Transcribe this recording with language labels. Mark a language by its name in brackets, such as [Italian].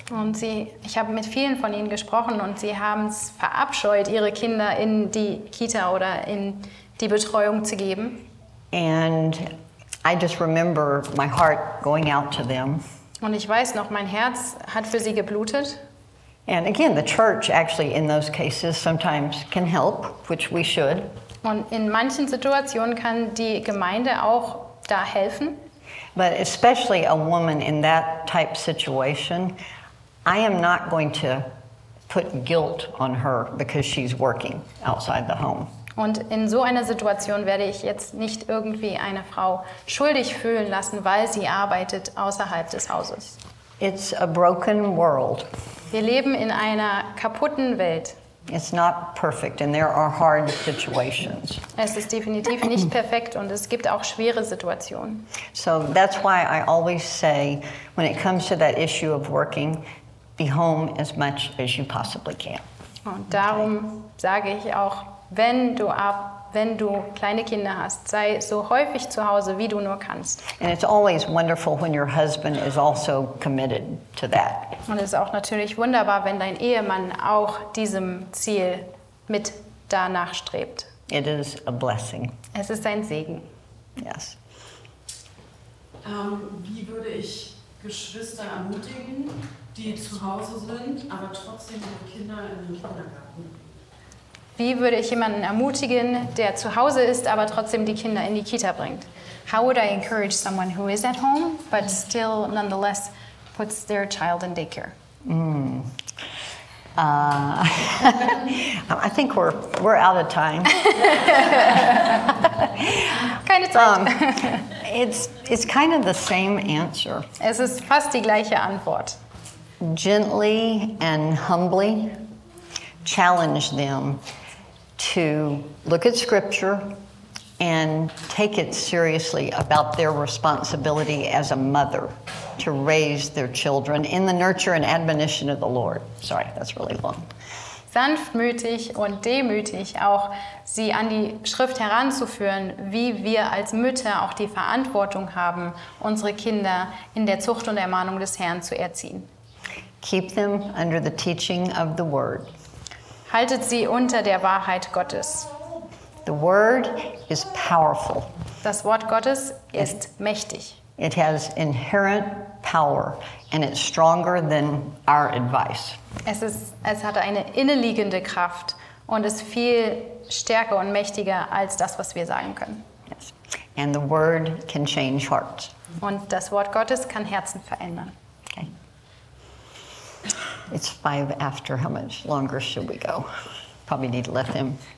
[German] Und sie, ich habe mit vielen von ihnen gesprochen und sie haben es verabscheut, ihre Kinder in die Kita oder in die Betreuung zu geben. [English] And I just remember my heart going out to them. [German] Und ich weiß noch, mein Herz hat für sie geblutet. [English] And again, the church actually in those cases sometimes can help, which we should. [German] Und in manchen Situationen kann die Gemeinde auch da helfen. [English] But especially a woman in that type situation, I am not going to put guilt on her because she's working outside the home. [German] Und in so einer Situation werde ich jetzt nicht irgendwie eine Frau schuldig fühlen lassen, weil sie arbeitet außerhalb des Hauses. [English] It's a broken world. [German] Wir leben in einer kaputten Welt. [English] It's not perfect and there are hard situations. [German] Es ist definitiv nicht perfekt und es gibt auch schwere Situationen. [English] So that's why I always say when it comes to that issue of working, be home as much as you possibly can. [German] Und darum sage ich auch, wenn du kleine Kinder hast, sei so häufig zu Hause, wie du nur kannst. [English] And it's always wonderful when your husband is also committed to that. [German] Und es ist auch natürlich wunderbar, wenn dein Ehemann auch diesem Ziel mit danach strebt. [English] It is a blessing. [German] Es ist ein Segen. [English] Yes. [German] Wie würde ich Geschwister ermutigen, die zu Hause sind, aber trotzdem die Kinder in den Kindergarten? Wie würde ich jemanden ermutigen, der zu Hause ist, aber trotzdem die Kinder in die Kita bringt? [English] How would I encourage someone who is at home, but still nonetheless puts their child in daycare? I think we're out of time. [German] Keine Zeit. [English] It's kind of the same answer. [German] Es ist fast die gleiche Antwort. [English] Gently and humbly challenge them to look at scripture and take it seriously about their responsibility as a mother to raise their children in the nurture and admonition of the Lord. Sorry, that's really long. [German] Sanftmütig und demütig auch sie an die Schrift heranzuführen, wie wir als Mütter auch die Verantwortung haben, unsere Kinder in der Zucht und Ermahnung des Herrn zu erziehen. [English] Keep them under the teaching of the word. [German] Haltet sie unter der Wahrheit Gottes. [English] The word is powerful. [German] Das Wort Gottes ist mächtig. [English] It has inherent power and it's stronger than our advice. [German] Es hat eine innerliegende Kraft und ist viel stärker und mächtiger als das, was wir sagen können. [English] Yes. And the word can change hearts. [German] Und das Wort Gottes kann Herzen verändern. [English] Okay. It's 5 after. How much longer should we go? Probably need to let him.